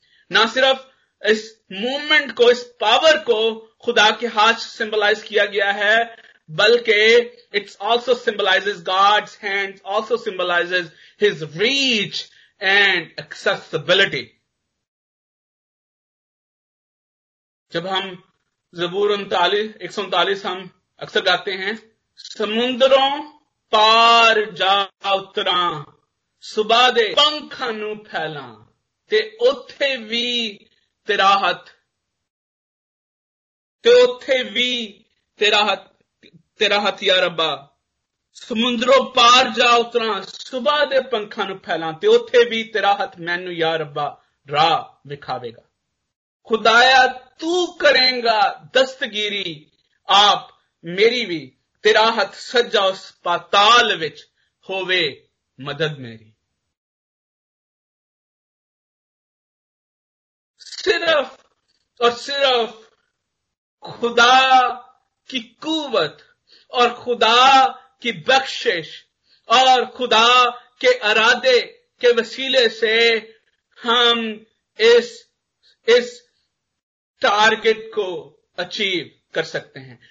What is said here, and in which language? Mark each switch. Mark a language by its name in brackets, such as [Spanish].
[Urdu] نہ صرف اس موومنٹ کو, اس پاور کو خدا کے ہاتھ سے سمبلائز کیا گیا ہے, بلکہ it's also symbolises God's hands, also symbolises his reach and accessibility. [Punjabi] جب ہم زبور 139 ہم اکثر گاتے ہیں, سمندروں پار جا اترا, صبح دے پنکھاں نو پھیلا, تے اوتھے وی تیرا ہاتھ, تے اوتھے وی تیرا ہاتھ یا ربا. سمندروں پار جا اترا, صبح دے پنکھاں نو پھیلا, تے اوتھے وی تیرا ہاتھ مینوں یا ربا راہ وکھاوے گا. خدایا تو کریں گا دستگیری, آپ میری بھی, تیرا ہاتھ سجا اس پاتال وچ ہووے مدد میری. [Urdu] صرف اور صرف خدا کی قوت اور خدا کی بخشش اور خدا کے ارادے کے وسیلے سے ہم اس ٹارگیٹ کو اچیو کر سکتے ہیں.